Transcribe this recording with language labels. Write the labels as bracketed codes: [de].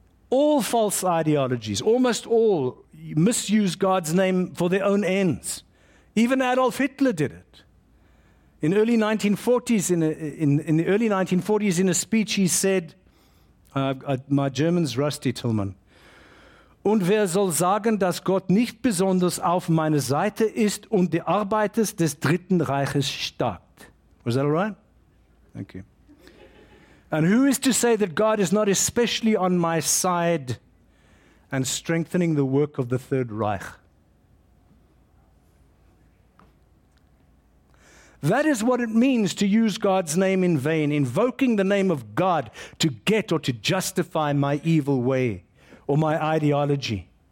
[en] All false ideologies, almost all, misuse God's name for their own ends. Even Adolf Hitler did it. In the early 1940s, in a speech, he said, my German's rusty, Tillman. [de] Und wer soll sagen, dass Gott nicht besonders auf meiner Seite ist und die Arbeit des Dritten Reiches stärkt? [en] Was that all right? Thank you. And who is to say that God is not especially on my side and strengthening the work of the Third Reich? That is what it means to use God's name in vain, invoking the name of God to get or to justify my evil way or my ideology.